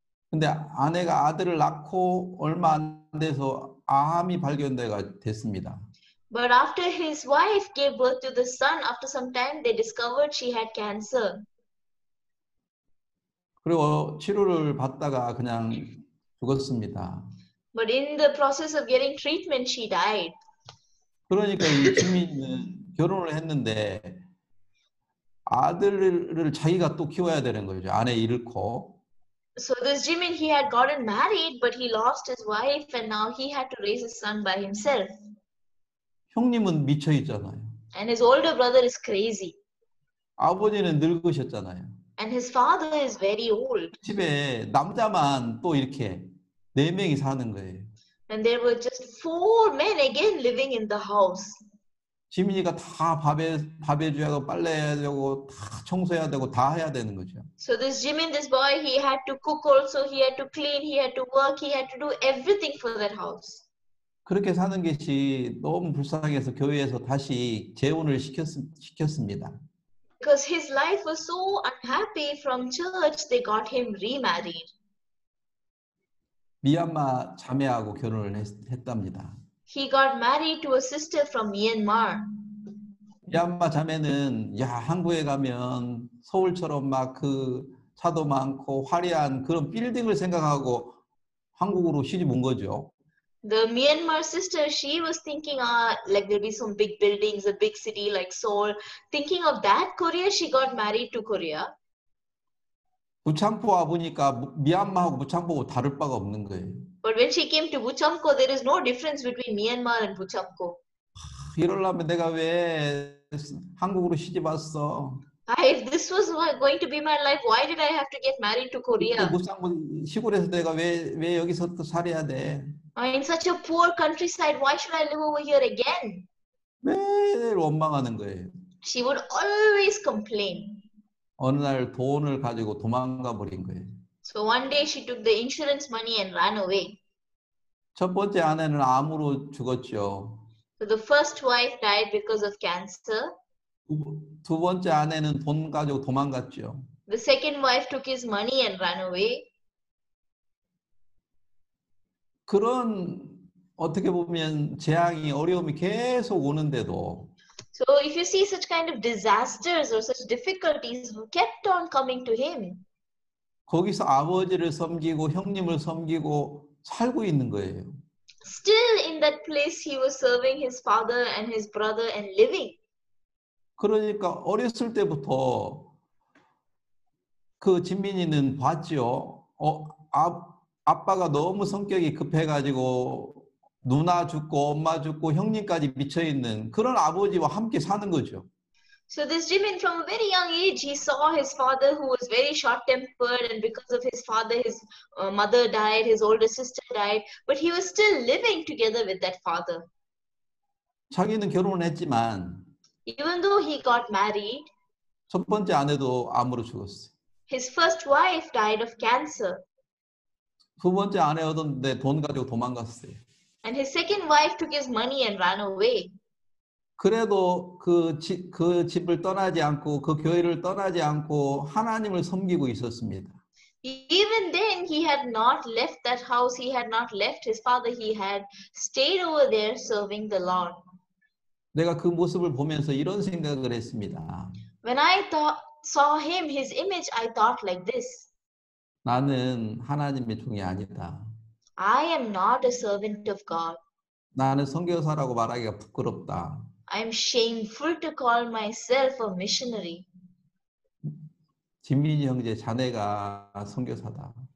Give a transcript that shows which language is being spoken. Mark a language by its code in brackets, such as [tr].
[ko] 근데 아내가 아들을 낳고 얼마 안 돼서 암이 발견되가 됐습니다. [en] But after his wife gave birth to the son, after some time they discovered she had cancer. [ko] 그리고 치료를 받다가 그냥 죽었습니다. [en] But in the process of getting treatment, she died. [ko] 그러니까 이 주민은 결혼을 했는데 아들을 자기가 또 키워야 되는 거죠. 아내 잃고. [en] So this Jimin, he had gotten married, but he lost his wife, and now he had to raise his son by himself. [ko] 형님은 미쳐 있잖아요. [en] And his older brother is crazy. [ko] 아버지는 늙으셨잖아요. [en] And his father is very old. [ko] 집에 남자만 또 이렇게 네 명이 사는 거예요. [en] And there were just four men again living in the house. [ko] 지민이가 다 밥해 주고 빨래해야 되고 다 청소해야 되고 다 해야 되는 거죠. [en] So this Jimin, this boy, he had to cook also, he had to clean, he had to work, he had to do everything for that house. [ko] 그렇게 사는 것이 너무 불쌍해서 교회에서 다시 재혼을 시켰습니다. [en] Because his life was so unhappy from church, they got him remarried. [ko] 미얀마 자매하고 결혼을 했답니다. [en] He got married to a sister from Myanmar. [ko] 미얀마 자매는 야 한국에 가면 서울처럼 막 그 차도 많고 화려한 그런 빌딩을 생각하고 한국으로 시집 온 거죠. [en] The Myanmar sister, she was thinking, like there'll be some big buildings, a big city like Seoul. Thinking of that Korea, she got married to Korea. [ko] 부창포 와 보니까 미얀마하고 부창포 다를 바가 없는 거예요. [en] But when she came to Bucheongpo, there is no difference between Myanmar and Bucheongpo. [ko] 이럴라면 내가 왜 한국으로 시집 왔어? [en] If this was going to be my life, why did I have to get married to Korea? [ko] 시골에서 내가 왜 여기서 또 살아야 돼? [en] In such a poor countryside, why should I live over here again? [ko] 매일 원망하는 거예요. [en] She would always complain. [ko] 어느 날 돈을 가지고 도망가 버린 거예요. [en] So one day she took the insurance money and ran away. [ko] 첫 번째 아내는 암으로 죽었죠. [en] So the first wife died because of cancer. [ko] 두 번째 아내는 돈 가지고 도망갔죠. [en] The second wife took his money and ran away. [ko] 그런 어떻게 보면 재앙이 어려움이 계속 오는데도 [en] So if you see such kind of disasters or such difficulties kept on coming to him. [ko] 거기서 아버지를 섬기고 형님을 섬기고 살고 있는 거예요. [en] Still in that place he was serving his father and his brother and living. [ko] 그러니까 어렸을 때부터 그 진민이는 봤죠. 아빠가 너무 성격이 급해가지고 누나 죽고 엄마 죽고 형님까지 미쳐있는 그런 아버지와 함께 사는 거죠. [en] So this Jimin from a very young age, he saw his father who was very short-tempered and because of his father, his mother died, his older sister died, but he was still living together with that father. [ko] 자기는 결혼을 했지만 [en] Even though he got married, [ko] 첫 번째 아내도 암으로 죽었어요. [en] His first wife died of cancer. [ko] 두 번째 아내였는데 돈 가지고 도망갔어요. [en] And his second wife took his money and ran away. [ko] 그래도 그 집을 떠나지 않고 그 교회를 떠나지 않고 하나님을 섬기고 있었습니다. [en] Even then he had not left that house. He had not left his father. He had stayed over there serving the Lord. [ko] 내가 그 모습을 보면서 이런 생각을 했습니다. [en] When I saw him, his image, I thought like this. [ko] 나는 하나님의 종이 아니다. [en] I am not a servant of God. [ko] 나는 선교사라고 말하기가 부끄럽다. [en] I am shameful to call myself a missionary. [ko] 진민 형제, 자네가 선교사다.